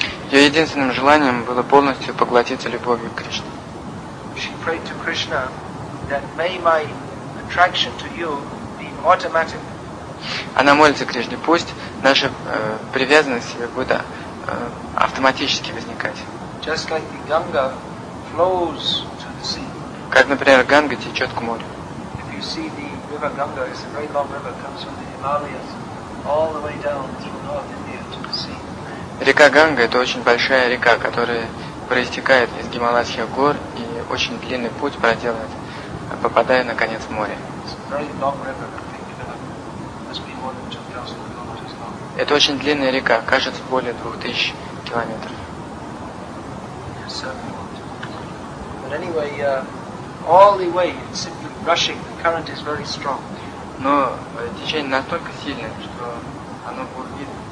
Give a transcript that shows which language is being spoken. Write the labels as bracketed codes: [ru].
[ru] Ее единственным желанием было полностью поглотиться любовью к Кришне. [en] She prayed to Krishna that may my attraction to you be automatic. [ru] Она молится Кришне: пусть наша привязанность к себе будет автоматически возникать. [en] Just like the Ganga flows. [ru] Как, например, Ганга течет к морю. [en] If you see the river Ganga, it's a very long river, comes from the Himalayas all the way down through North India to the sea. [ru] Река Ганга – это очень большая река, которая проистекает из Гималайских гор и очень длинный путь проделает, попадая наконец в море. [en] It's a very long river, I think, must be more than 2,000 kilometers long. [ru] Это очень длинная река, кажется, более 2000 километров. [en] Yes, but anyway, all the way, it's simply rushing. The current is very strong. [ru] Но течение настолько сильное, что оно бурлит.